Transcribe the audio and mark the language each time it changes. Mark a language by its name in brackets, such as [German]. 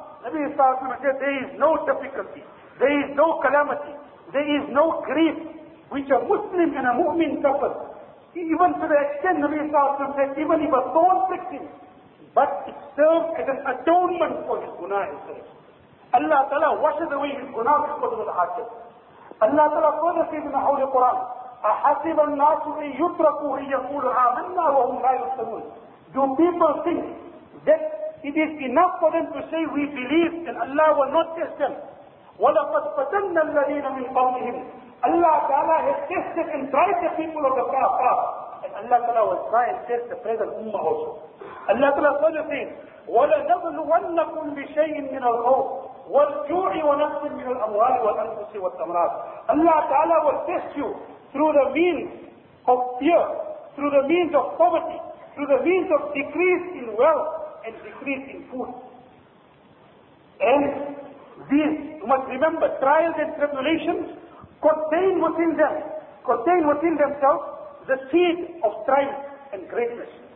[English] Nabi sallallahu alayhi wa sallam said, there is no difficulty, there is no calamity, there is no grief which a Muslim and a mu'min suffers. Even to the extent Nabi sallallahu alayhi wa sallam said, even if a thorn pricks him, but it serves as an atonement for his gunah and sins. Allah Ta'ala washes away his gunah because of his hajj. Allah Ta'ala further says in the Holy Quran, [Arabic] أَحَسِبَ النَّاسُ أَن يُتْرَكُوا أَن يَقُولُوا آمَنَّا وَهُمْ لَا يُفْتَنُونَ. [English] Do people think that it is enough for them to say we believe and Allah will not test them? [Arabic] وَلَقَدْ فَتَنَّ الَّذِينَ مِنْ قَوْمِهِمْ. [English] Allah Ta'ala has tested and tried the people of the past. And Allah Ta'ala will try and test the present ummah also. Allah Ta'ala further says, [Arabic] وَلَنَبْلُوَنَّكُمْ بِشَيْءٍ مِّنَ الْخَوْفِ وَالْجُوعِ وَنَقْصٍ مِّنَ الْأَمْوَالِ وَالْأَنْفُسِ وَالثَّمَرَاتِ. [English] Allah Ta'ala will test you through the means of fear, through the means of poverty, through the means of decrease in wealth and decrease in food. And these, you must remember, trials and tribulations contain within them, contain within themselves the seed of triumph and greatness.